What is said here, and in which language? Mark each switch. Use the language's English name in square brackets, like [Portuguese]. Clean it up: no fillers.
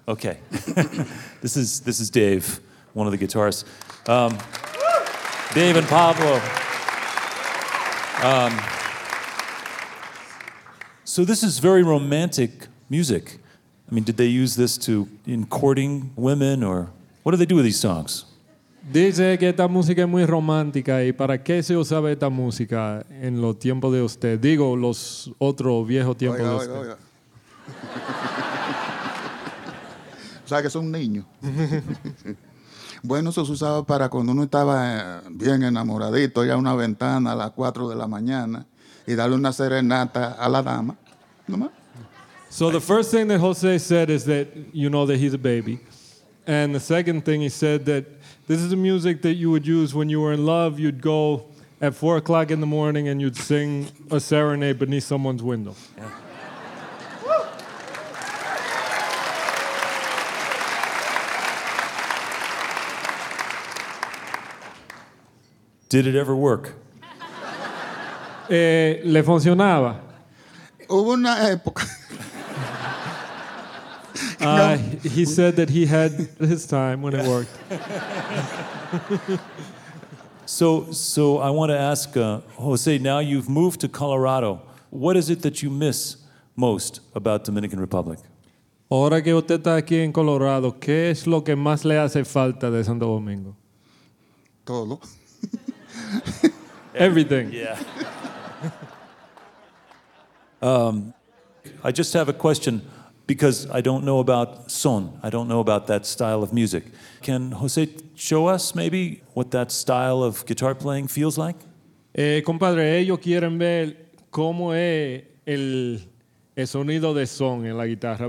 [English] Okay. This is Dave, one of the guitarists. Dave and Pablo. So this is very romantic music. I mean, did they use this in courting women, or what do they do with these songs? [Spanish] Dice que esta música es muy romántica y para qué se usaba esta música en los tiempos de usted. Digo, los otros viejos tiempos de usted. O sea, que son niños. Bueno, eso se usaba para cuando uno estaba bien enamoradito, ir a una ventana a las 4 de la mañana y darle una serenata a la dama. ¿No más? [English] So the first thing that Jose said is that you know that he's a baby. And the second thing he said that this is the music that you would use when you were in love. You'd go at 4 o'clock in the morning and you'd sing a serenade beneath someone's window. Yeah. Did it ever work? [Spanish] Le funcionaba. Hubo una época. [English] He said that he had his time when it worked. So I want to ask Jose, now you've moved to Colorado. What is it that you miss most about Dominican Republic? [Spanish] Ahora que usted está aquí en Colorado, ¿qué es lo que más le hace falta de Santo Domingo? Todo. [English] Everything. Yeah. I just have a question because I don't know about son. I don't know about that style of music. Can Jose show us maybe what that style of guitar playing feels like? [Spanish] Compadre, ellos quieren ver cómo es el sonido de son en la guitarra.